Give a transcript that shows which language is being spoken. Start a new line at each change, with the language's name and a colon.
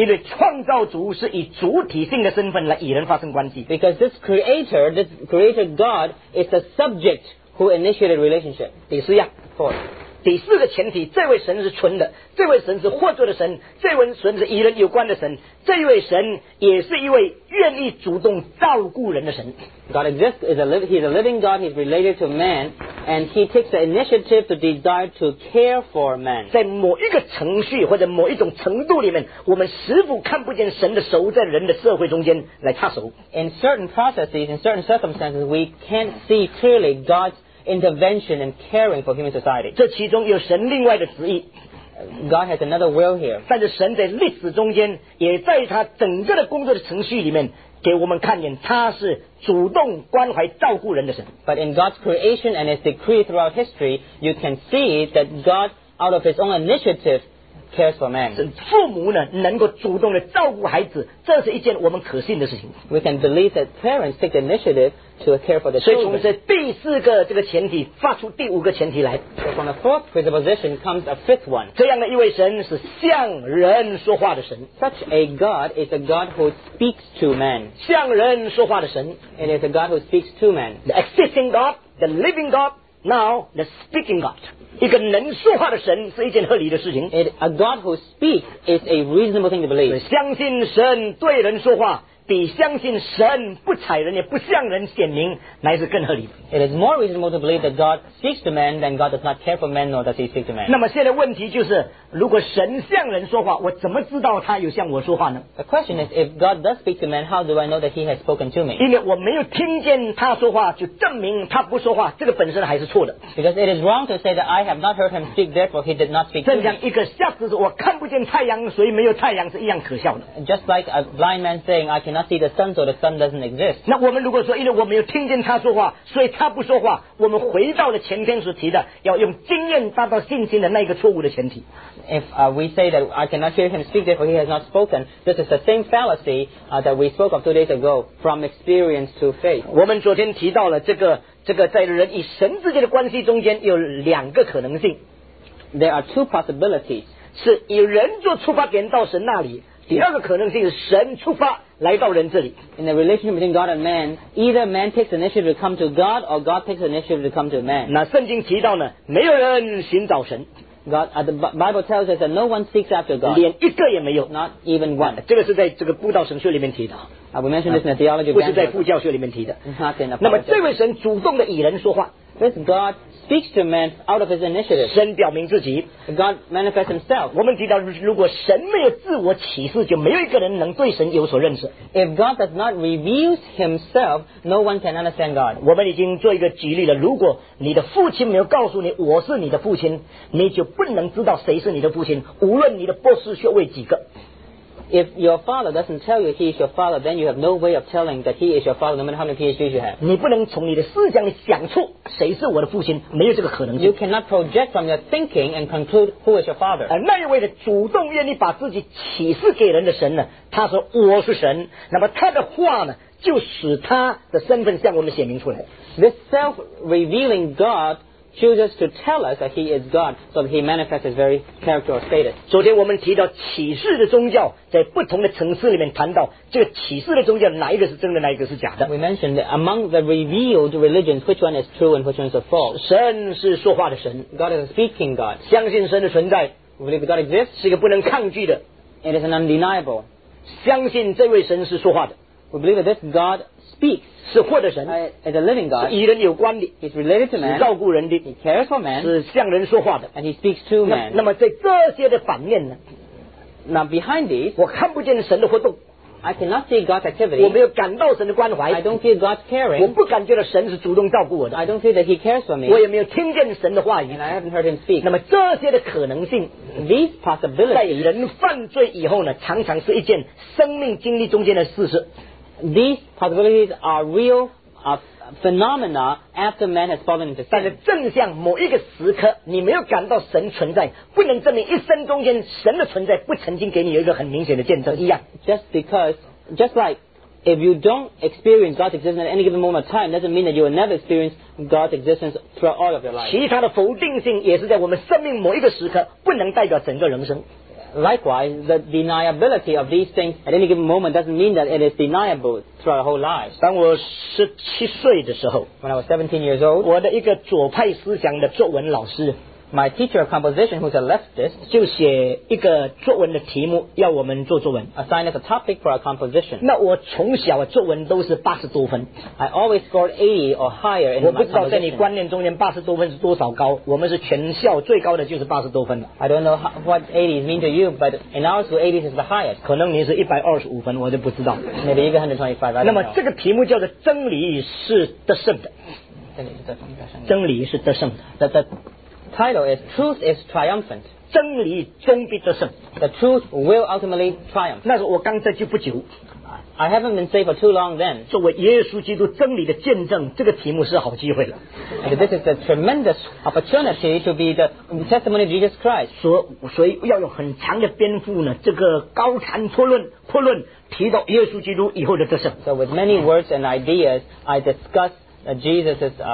Chinese: 因为创造主是以主体性的身份来与人发生关系。
English: Because this creator God is the subject who initiated relationship.
Chinese: 第四样。
English: Four.
Chinese: 第四个前提，这位神是纯的，这位神是活着的神，这位神是与人有关的神，这位神也是一位愿意主动照顾人的神。
English: God exists, he's a living God, he's related to man, and he takes the initiative to desire to care for man.
Chinese: 在某一个程序或者某一种程度里面，我们似乎看不见神的手在人的社会中间来插手。
English: In certain processes, in certain circumstances, we can't see clearly God's intervention and caring for human society.
Chinese: 这其中有神另外的旨意。
English: God has another will here.
Chinese: 但是神在历史中间，也在他整个的工作的程序里面，给我们看见他是主动关怀照顾人的神。
English: But in God's creation and His decree throughout history, you can see that God, out of His own initiative, cares for man.
Chinese: 父母呢，能够主动的照顾孩子，这是一件我们可信的事情。
English: We can believe that parents take the initiative. To care for the children.
Chinese: 所以从这第四个这个前提发出第五个前提来。
English: So from the fourth presupposition comes a fifth one.
Chinese: 这样的一位神是向人说话的神。
English: Such a God is a God who speaks to man.
Chinese: 向人说话的神。
English: It is a God who speaks to man. The existing God, the living God, now the speaking God.
Chinese: 一个能说话的神是一件合理的事情。
English: A God who speaks is a reasonable thing to believe.
Chinese: 相信神对人说话。比相信神不睬人也不向人显明乃是更合理。
English: It is more reasonable to believe that God speaks to man than God does not care for man nor does he speak to man.
Chinese: 那么现在问题就是，如果神向人说话，我怎么知道他有向我说话呢？
English: The question is, if God does speak to man, how do I know that he has spoken to me?
Chinese: 因为我没有听见他说话就证明他不说话，这个本身还是错的。
English: Because it is wrong to say that I have not heard him speak, therefore he did not speak to me.
Chinese: 正像一个瞎子说我看不见太阳所以没有太阳是一样可笑的。
English: Just like a blind man saying I cannot see the sun, so the sun doesn't exist.
Chinese: 那我们如果说因为我没有听见他说话所以他不说话，我们回到了前篇所提的要用经验达到信心的那个错误的前提。
English: If we say that I cannot hear him speak, therefore he has not spoken, this is the same fallacy that we spoke of 2 days ago, from experience to faith.
Chinese: 我们昨天提到了这个在人与神之间的关系中间有两个可能性。
English: There are two possibilities.
Chinese: 是以人做出发点到神那里，第二个可能性是神出发来到人这里。
English: In the relationship between God and man, either man takes initiative to come to God or God takes initiative to come to man.
Chinese: 那圣经提到呢，没有人寻找神。
English: God, the Bible tells us that no one seeks after God.
Chinese: 连一个也没有。
English: Not even one.
Chinese: 这个是在这个布道神学里面提的。
English: We mentioned this in the theology.
Chinese: 不是在布教学里面提的。
English: Not in the.
Chinese: 那么这位神主动的与人说话。
English: This God speaks to man out of his initiative.
Chinese: 神表明自己。
English: God manifests himself.
Chinese: 我们提到，如果神没有自我启示，就没有一个人能对神有所认识。
English: If God does not reveal himself, no one can understand God.
Chinese: 我们已经做一个举例了。如果你的父亲没有告诉你我是你的父亲，你就不能知道谁是你的父亲，无论你的博士学位几个。
English: If your father doesn't tell you he is your father, then you have no way of telling that he is your father, no matter how many PhDs you have.
Chinese: 你不能从你的思想里想出谁是我的父亲，没有这个可能性。
English: You cannot project from your thinking and conclude who is your father.
Chinese: 那一位的主动愿意把自己启示给人的神呢？他说我是神。那么他的话呢，就使他的身份向我们显明出来。
English: This self-revealing God. Chooses to tell us that he is God, so that he manifests his very character or status.
Chinese: 昨天我们提到启示的宗教，在不同的层次里面谈到这个启示的宗教，哪一个是真的，哪一个是假的。
English: We mentioned that among the revealed religions, which one is true and which one is false?
Chinese: 神是说话的神
English: ，God is a speaking God.
Chinese: 相信神的存在
English: ，believe God exists,
Chinese: 是一个不能抗拒的
English: ，it is an undeniable.
Chinese: 相信这位神是说话的
English: ，we believe that this God. Speaks,
Chinese: 是活的神
English: is a living God,
Chinese: 是与人有关的
English: is related to man,
Chinese: 是照顾人的
English: he cares for man,
Chinese: 是向人说话的
English: and he speaks to man.
Chinese: 那么在这些的反面呢
English: Now behind these,
Chinese: 我看不见神的活动
English: I cannot see God's activity.
Chinese: 我没有感到神的关怀。
English: I don't feel God's caring.
Chinese: 我不感觉到神是主动照顾我的。
English: I don't feel that He cares for me.
Chinese: 我也没有听见神的话语。
English: And I haven't heard Him speak.
Chinese: 那么这些的可能性
English: ，these possibilities，
Chinese: 在人犯罪以后呢，常常是一件生命经历中间的事实。
English: These possibilities are real phenomena after man has fallen into sin.
Chinese: 但是正像某一个时刻，你没有感到神存在，不能证明一生中间神的存在不曾经给你有一个很明显的见证一样。
English: Just like if you don't experience God's existence at any given moment of time, doesn't mean that you will never experience God's existence throughout all of your life.
Chinese: 其他的否定性也是在我们生命某一个时刻不能代表整个人生。
English: Likewise, the deniability of these things at any given moment doesn't mean that it is deniable throughout our whole lives.
Chinese: 当我十七岁的时候
English: ，When I was 17 years old,
Chinese: 我的一个左派思想的作文老师
English: ，My teacher of composition, who's a leftist,
Chinese: 就写一个作文的题目要我们做作文
English: ，assigned us a topic for our composition.
Chinese: 那我从小作文都是八十多分
English: ，I always scored 80 or higher in my composition.
Chinese: 我不知道在你观念中间八十多分是多少高，我们是全校最高的就是八十多分了。
English: I don't know what 80 means to you, but in our school 80 is the highest.
Chinese: 可能你是125分，我就不知道。
English: Maybe 125.
Chinese: 那么这个题目叫做"真理是得胜的"，真理是得胜的。
English: The title is "Truth is Triumphant."
Chinese: 真理终必得胜。
English: The truth will ultimately triumph.
Chinese: 那是我刚得救不久。
English: I haven't been saved for too long then.
Chinese: 作为耶稣基督真理的见证，这个题目是好机会了。
English: And this is a tremendous opportunity to be the testimony of Jesus Christ.
Chinese: 所以要用很长的篇幅呢，这个高谈阔论，提到耶稣基督以后的得胜。
English: So with many words and ideas, I discuss Jesus'